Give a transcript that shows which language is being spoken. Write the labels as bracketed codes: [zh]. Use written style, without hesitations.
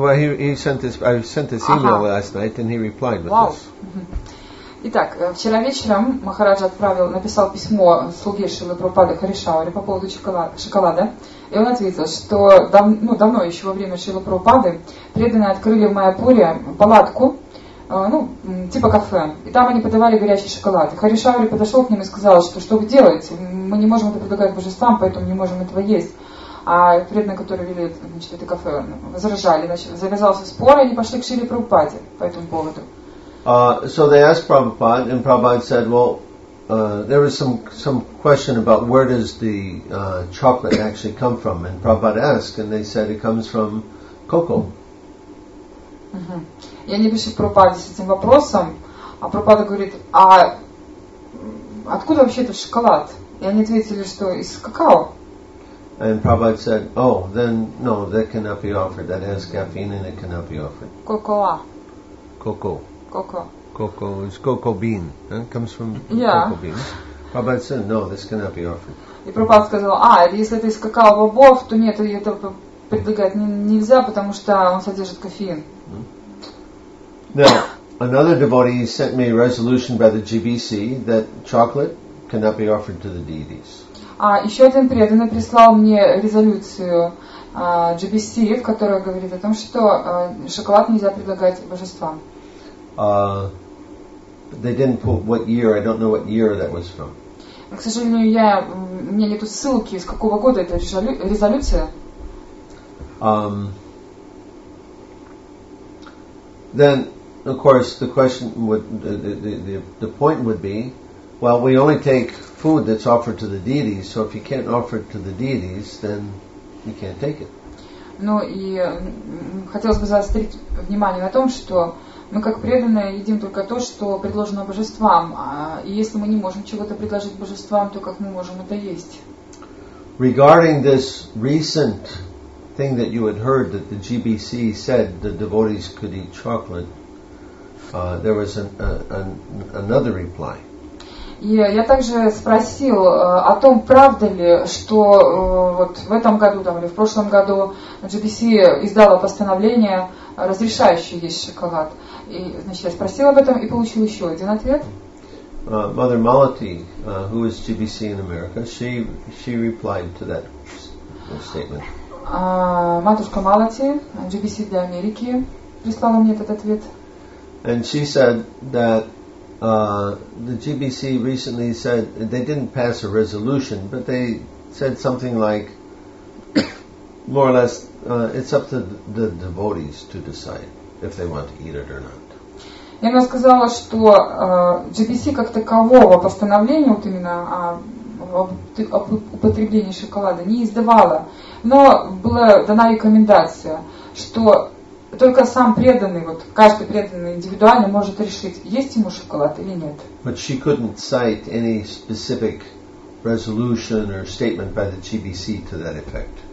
[en] well, he sent this email last night, and he replied with this. [ru] Итак, вчера вечером Махарадж отправил, написал письмо слуге Шрилы Прабхупады Харишауре по поводу шоколада. И он ответил, что давно, еще во время Шрилы Прабхупады, преданные открыли в Майяпуре палатку, ну, типа кафе. И там они подавали горячий шоколад. Харишаури подошел к ним и сказал, что вы делаете? Мы не можем это предлагать божествам, поэтому не можем этого есть. А преданные, которые вели это кафе, возражали. Значит, завязался спор, и они пошли к Шриле Прабхупаде по этому поводу. [en] So they asked Prabhupada, and Prabhupada said, well, there was some question about where does the chocolate actually come from. And Prabhupada asked, and they said it comes from cocoa. [ru] И они пришли к Прабхупаде с этим вопросом, а Прабхупада говорит, а откуда вообще этот шоколад? И они ответили, что из какао. [en] And Prabhupada said, oh, then no, that cannot be offered. That has caffeine and it cannot be offered. Cocoa. Cocoa is cocoa bean. It comes from cocoa beans. Prabhupada said, no, this cannot be offered. [ru] И Прабхупада сказал, а если это из какао бобов, то нет, это предлагать нельзя, потому что он содержит кофеин. [en] Now, another devotee sent me a resolution by the GBC that chocolate cannot be offered to the deities. [ru] Еще один преданный прислал мне резолюцию GBC, в которой говорит о том, что шоколад нельзя предлагать божествам. [en] They didn't put what year, I don't know what year that was from. [ru] К сожалению, мне нету ссылки, с какого года эта резолюция. [en] Then, of course, the question would the point would be, well, we only take food that's offered to the deities. So if you can't offer it to the deities, then you can't take it. [ru] Ну и хотелось бы заострить внимание на том, что мы как преданные едим только то, что предложено божествам. И если мы не можем чего-то предложить божествам, то как мы можем это есть? [en] Regarding this recent thing that you had heard that the GBC said the devotees could eat chocolate. There was another reply. [ru] Я также спросил о том, правда ли, что вот в этом году, там, или в прошлом году, GBC издала постановление, разрешающее есть шоколад. И, значит, я спросила об этом и получила еще один ответ. [en] Mother Malati, who is GBC in America, she replied to that statement. [ru] Матушка Малати, GBC для Америки, прислала мне этот ответ. [en] And she said that the GBC recently said they didn't pass a resolution, but they said something like, more or less, it's up to the devotees to decide if they want to eat it or not. [ru] И она сказала, что GBC как такового постановления вот именно об употреблении шоколада не издавала, но была дана рекомендация, что только сам преданный, вот каждый преданный индивидуально может решить, есть ему шоколад или нет. [en] But she couldn't cite any specific resolution or statement by the GBC to that effect.